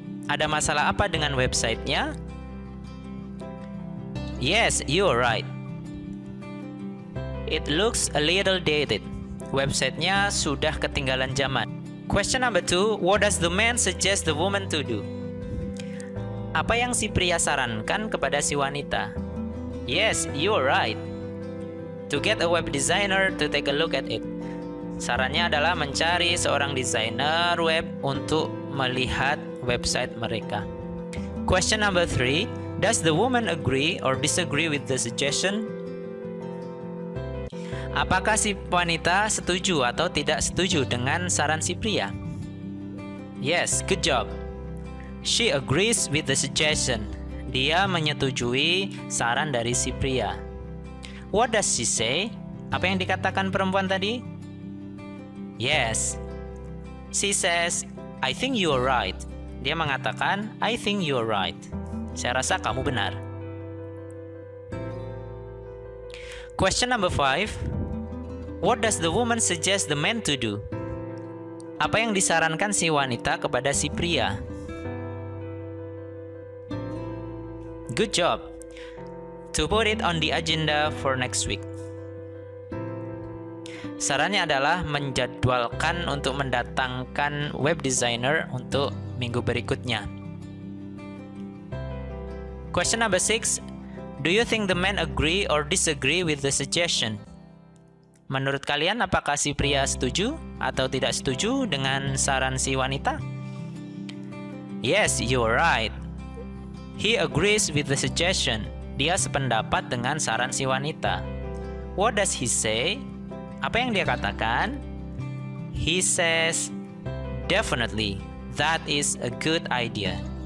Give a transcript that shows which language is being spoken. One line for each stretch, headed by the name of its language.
Indonesian: Ada masalah apa dengan websitenya?
English: Yes, you're right. It looks a little dated.
Indonesian: Websitenya sudah ketinggalan zaman.
English: Question number two, what does the man suggest the woman to do?
Indonesian: Apa yang si pria sarankan kepada si wanita?
English: Yes, you're right. To get a web designer to take a look at it.
Indonesian: Sarannya adalah mencari seorang desainer web untuk melihat website mereka.
English: Question number three, does the woman agree or disagree with the suggestion?
Indonesian: Apakah si wanita setuju atau tidak setuju dengan saran si pria?
English: Yes, good job. She agrees with the suggestion.
Indonesian: Dia menyetujui saran dari si pria.
English: What does she say?
Indonesian: Apa yang dikatakan perempuan tadi? Yes.
English: She says, I think you are right.
Indonesian: Dia mengatakan,
English: I think you are right.
Indonesian: Saya rasa kamu benar.
English: Question number five. What does the woman suggest the man to do?
Indonesian: Apa yang disarankan si wanita kepada si pria?
English: Good job. To put it on the agenda for next week.
Indonesian: Sarannya adalah menjadwalkan untuk mendatangkan web designer untuk minggu berikutnya.
English: Question number six. Do you think the man agree or disagree with the suggestion?
Indonesian: Menurut kalian, apakah si pria setuju atau tidak setuju dengan saran si wanita?
English: Yes, you're right. He agrees with the suggestion.
Indonesian: Dia sependapat dengan saran si wanita.
English: What does he say?
Indonesian: Apa yang dia katakan?
English: He says, definitely, that is a good idea.